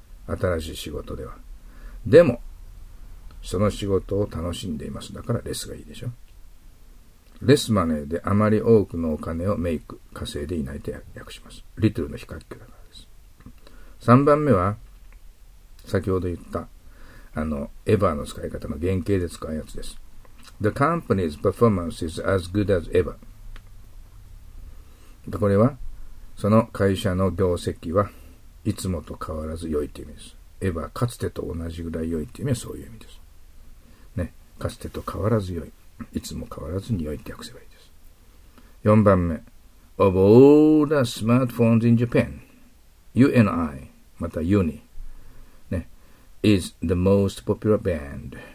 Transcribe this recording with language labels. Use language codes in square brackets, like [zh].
[ja] 新しい仕事では。でも、その仕事を楽しんでいます。だからレスがいいでしょ。レスマネーであまり多くのお金をメイク、稼いでいないと訳します。リトルの比較級だからです。3番目は、先ほど言った、エヴァーの使い方の原型で使うやつです。 [en] The company's performance is as good as ever. [ja] これは、その会社の業績はいつもと変わらず良いという意味です。 ever、かつてと同じぐらい良いという意味はそういう意味です。ね、かつてと変わらず良い。いつも変わらずに良いって訳せばいいです。 4番目。 [en] Of all the smartphones in Japan, you and I, [ja] また [en] you [ja] に、ね、 [en] is the most popular band.